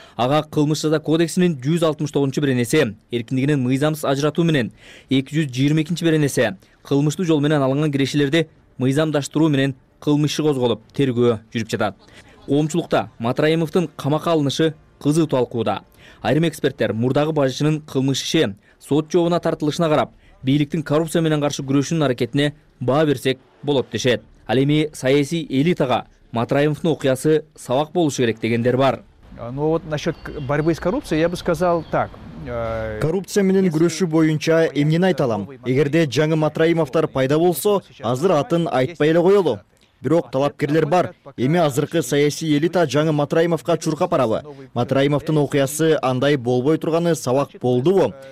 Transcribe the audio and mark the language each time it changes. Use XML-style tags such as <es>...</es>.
<ky>Ага кылмыш жаза кодексинин 169 беренеси эркиндигинен мыйзамсыз ажыратуу менен 222 беренеси кылмыштуу жол менен алынган кирешелерди мыйзамдаштыруу менен кылмыш иши козголуп, тергөө жүрүп жатат. Коомчулукта Матраимовдун камакка алынышы кызуу талкууда. Айрым эксперттер мурдагы бажычынын кылмыш иши сот жообуна тартылышына карап, бийликтин коррупция менен каршы күрөшүнүн аракетине баа берсек болот дешет. Ал эми саясий элитага Матраимовдун окуясы сабак болушу керек дегендер бар.</ky> <ru>Ну вот насчет борьбы с коррупцией я бы сказал так.</ru> <ky>Коррупция менен күрөшүү боюнча эмнени айта алам? Эгерде жаңы Матраимовдор пайда болсо, азыр атын айтпай эле коелу. Бирок талапкерлер бар. Эми азыркы саясий элита жаңы Матраимовго чуркап барабы? Матраимовдун окуясы андай болбой турганы сабак болдубу?</ky>